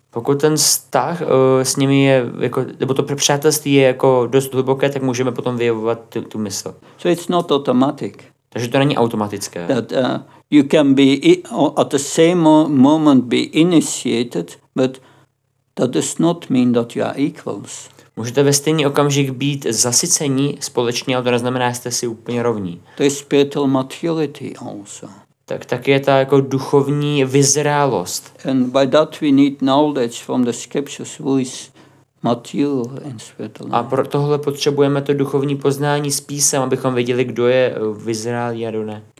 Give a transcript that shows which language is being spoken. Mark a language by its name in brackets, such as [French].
[Czech] Pokud ten vztah s nimi je, jako, nebo to přátelství je jako dost hluboké, tak můžeme potom vyjevovat tu mysl. [English] So it's not automatic. [Czech] Takže to není automatické. [English] That you can be at the same moment be initiated, but that does not mean that you are equals. [Czech] Můžete ve stejný okamžik být zasycení společně, ale to neznamená, že jste si úplně rovní. To je [English] spiritual maturity also. [Czech] Tak je ta jako duchovní vyzrálost. [English] And by that we need knowledge from the scriptures who is mature in spiritual [Czech] life. A pro tohle potřebujeme to duchovní poznání s písem, abychom věděli, kdo je vyzrálý a kdo ne.